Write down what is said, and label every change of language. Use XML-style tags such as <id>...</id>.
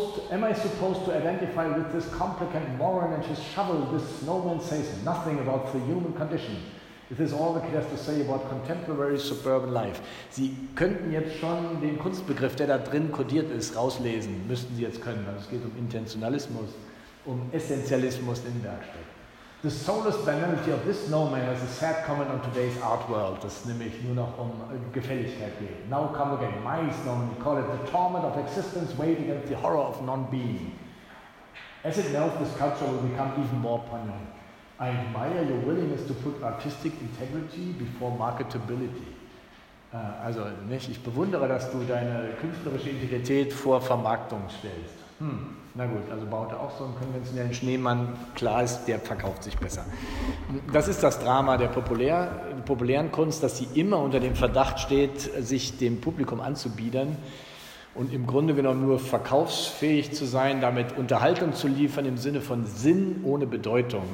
<en>Am I supposed to identify with this complicated moron and his shovel? This snowman says nothing about the human condition. This is all the kid has to say about contemporary suburban life.</en> <de>Sie könnten jetzt schon den Kunstbegriff, der da drin kodiert ist, rauslesen, müssten Sie jetzt können. Also es geht um Intentionalismus, um Essentialismus im Werkstück.</de> <en>The soulless banality of this snowman is a sad comment on today's art world.</en> <de>Das nämlich nur noch um Gefälligkeit geht.</de> <en>Now come again, my snowman, we call it the torment of existence weighed against the horror of non-being. As it melts, this culture will become even more poignant. I admire your willingness to put artistic integrity before marketability.</en> <de>Also nicht, ich bewundere, dass du deine künstlerische Integrität vor Vermarktung stellst. Na gut, also baut er auch so einen konventionellen Schneemann. Klar ist, der verkauft sich besser. Das ist das Drama der populären Kunst, dass sie immer unter dem Verdacht steht, sich dem Publikum anzubiedern und im Grunde genommen nur verkaufsfähig zu sein, damit Unterhaltung zu liefern im Sinne von Sinn ohne Bedeutung.</de>